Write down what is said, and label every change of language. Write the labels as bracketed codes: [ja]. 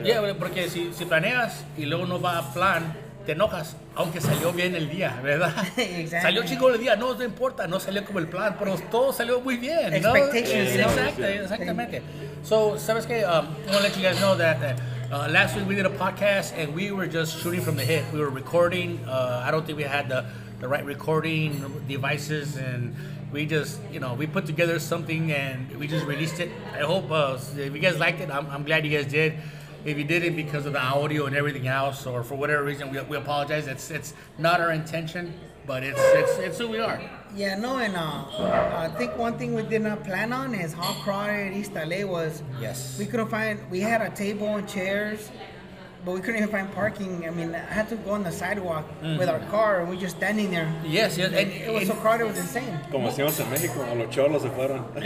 [es] Yeah, porque si planeas y luego no va a plan, te enojas, aunque salió bien el día, ¿verdad? [en] Exactly. [es] Salió chingón el día, no, no importa, no salió como el plan, pero todo salió muy bien. [en] Expectations. [es] ¿No? Exactamente. So, ¿sabes qué? [en] I want to let you guys know that last week we did a podcast and we were just shooting from the hip. We were recording. I don't think we had the right recording devices, and we just, you know, we put together something and we just released it. I hope if you guys liked it, I'm glad you guys did. If you did it because of the audio and everything else, or for whatever reason, we apologize. It's not our intention, but it's who we are. Yeah, no, and I think one thing we did not plan on is how crowded East LA was. Yes. We couldn't find, we had a table and chairs, but we couldn't even find parking. I mean, I had to go on the sidewalk with our car, and we're just standing there. Yes, yes. And it was so crowded, it was insane. [es] Como hacíamos en México, a los cholos se fueron.